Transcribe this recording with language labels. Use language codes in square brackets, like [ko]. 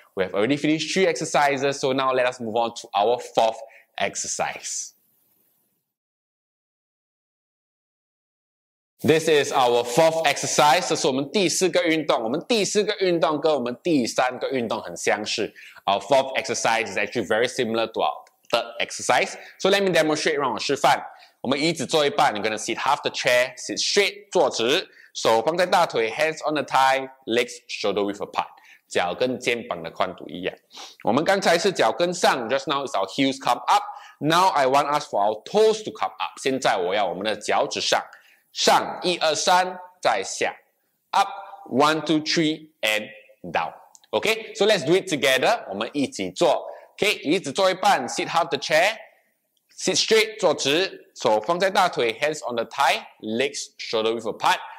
[en] We have already finished three exercises, so now let us move on to our fourth exercise. This is our fourth exercise. [zh] 这是我们第四个运动。我们第四个运动跟我们第三个运动很相似。 [en] Our fourth exercise is actually very similar to our third exercise. So let me demonstrate, [zh] 让我示范。我们椅子坐一半， [en] you're going to sit half the chair, sit straight, [zh] 坐直。手放在大腿， [en] hands on the thigh, legs shoulder width apart. [zh] 脚跟肩膀的宽度一样。我们刚才是脚跟上， [en] just now is our heels come up. Now I want us for our toes to come up. [zh] 现在我要我们的脚趾上。上一二三，再下。 [en] Up, one, two, three, and down. Okay, so let's do it together. [zh] 我们一起做。 [en] Okay, [zh] 椅子坐一半， [en] sit half the chair. Sit straight, [zh] 坐直。手放在大腿， [en] hands on the thigh, legs shoulder width apart.